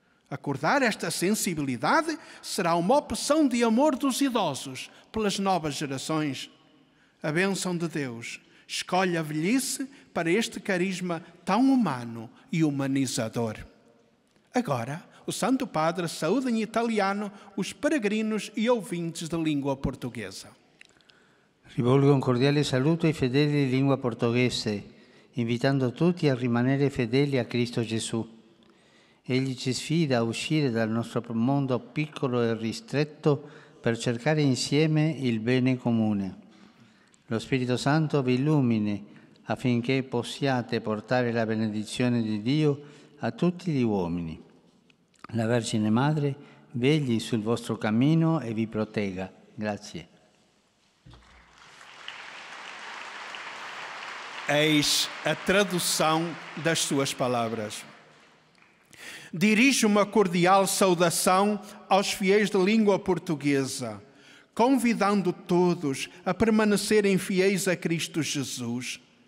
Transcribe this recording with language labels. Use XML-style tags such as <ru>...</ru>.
<pt>Acordar esta sensibilidade será uma opção de amor dos idosos pelas novas gerações. A bênção de Deus escolhe a velhice para este carisma tão humano e humanizador. Agora, o Santo Padre saúda em italiano os peregrinos e ouvintes de língua portuguesa.</pt> <it>Rivolgo um cordiale saluto ai fedeli di lingua portoghese, invitando tutti a rimanere fedeli a Cristo Gesù. Egli ci sfida a uscire dal nostro mondo piccolo e ristretto per cercare insieme il bene comune. Lo Spirito Santo vi illumini affinché possiate portare la benedizione di Dio a tutti gli uomini. La Vergine Madre vegli sul vostro cammino e vi protegga. Grazie.</it> <pt>Eis a tradução das suas palavras. Dirijo uma cordial saudação aos fiéis de língua portuguesa, convidando todos a permanecerem fiéis a Cristo Jesus.</pt>